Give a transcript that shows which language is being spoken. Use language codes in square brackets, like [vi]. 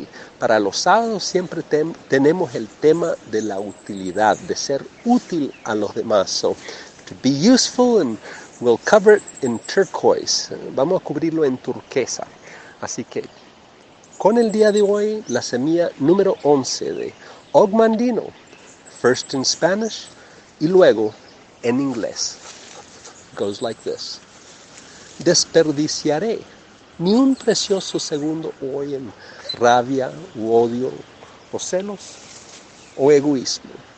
[es] Y para los sábados siempre tenemos el tema de la utilidad, de ser útil a los demás. [en] So, to be useful, and we'll cover it in turquoise. [es] Vamos a cubrirlo en turquesa. Así que, con el día de hoy, la semilla número 11 de Ogmandino. [en] First in Spanish, [es] y luego en inglés. [en] Goes like this. [es] Desperdiciaré ni un precioso segundo hoy en rabia u odio o celos o egoísmo.